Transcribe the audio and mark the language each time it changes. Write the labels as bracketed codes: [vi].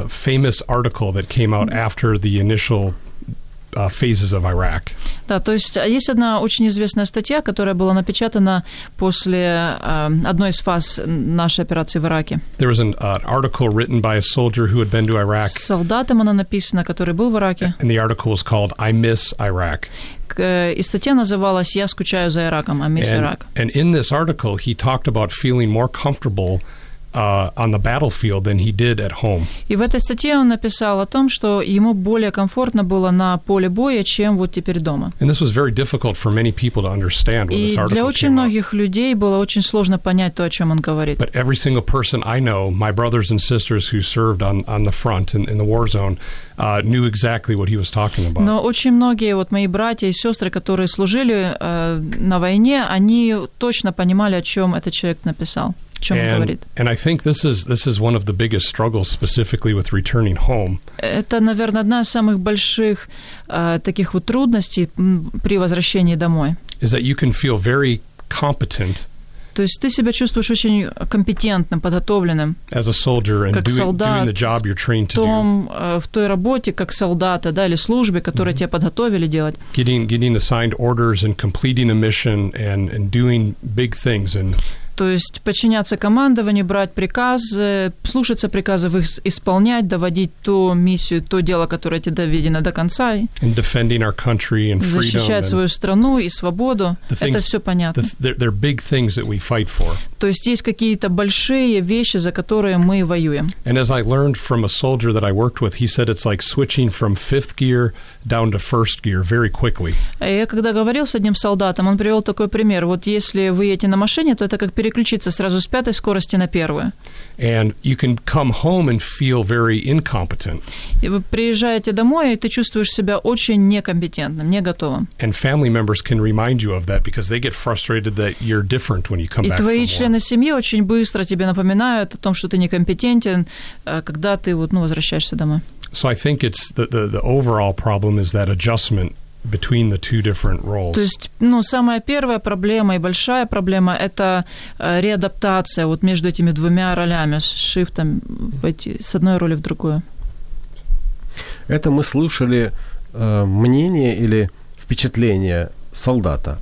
[en] famous article that came out after the initial phases of Iraq. [ru] Да, то есть есть одна очень известная статья, которая была напечатана после одной из фаз нашей операции в Ираке. [en] There was an article written by a soldier who had been to Iraq. [ru] Солдатом она написана, который был в Ираке. [en] And the article was called "I Miss Iraq". [ru] И статья называлась "Я скучаю за Ираком", [en] I miss Iraq. And in this article, he talked about feeling more comfortable on the battlefield than he did at home. [ru] И в этой статье он написал о том, что ему более комфортно было на поле боя, чем вот теперь дома. [en] And this was very difficult for many people to understand when this article came out. [ru] И для очень многих людей было очень сложно понять то, о чем он говорит. [en] But every single person I know, my brothers and sisters who served on the front in the war zone, knew exactly what he was talking about. [ru] Но очень многие вот мои братья и сестры, которые служили на войне, они точно понимали, о чем этот человек написал. [en] And I think this is one of the biggest struggles specifically with returning home. [ru] Это, наверное, одна из самых больших таких вот трудностей при возвращении домой. [en] Is that you can feel very competent. [ru] То есть ты себя чувствуешь очень компетентным, подготовленным. [en] As a soldier and doing the job you're trained to do. [ru] В той работе как солдата, да, или службе, которую тебя подготовили делать. [en] Getting assigned orders and completing a mission and doing big things and [ru] то есть подчиняться командованию, брать приказы, слушаться приказов, их исполнять, доводить ту миссию, то дело, которое тебе доведено до конца. [en] And defending our country and freedom, [ru] защищать свою страну и свободу. Это все понятно. [en] They're big things that we fight for. [ru] То есть есть какие-то большие вещи, за которые мы воюем. [en] And as I learned from a soldier that I worked with, he said it's like switching from fifth gear down to first gear very quickly. [ru] Я когда говорил с одним солдатом, он привел такой пример. Вот если вы едете на машине, то это как переключиться сразу с пятой скорости на первую. [en] And you can come home and feel very incompetent. [ru] И вы приезжаете домой, и ты чувствуешь себя очень некомпетентным, не готовым. [en] And family members can remind you of that because they get frustrated that you're different when you come back. [ru] И твои члены семьи очень быстро тебе напоминают о том, что ты некомпетентен, когда ты вот, ну, возвращаешься домой. [en] So I think it's the overall problem is that adjustment between the two different roles. [ru] То есть, ну, самая первая проблема и большая проблема – это реадаптация вот между этими двумя ролями, шифтом с одной роли в другую. Это мы слушали мнение или впечатление солдата.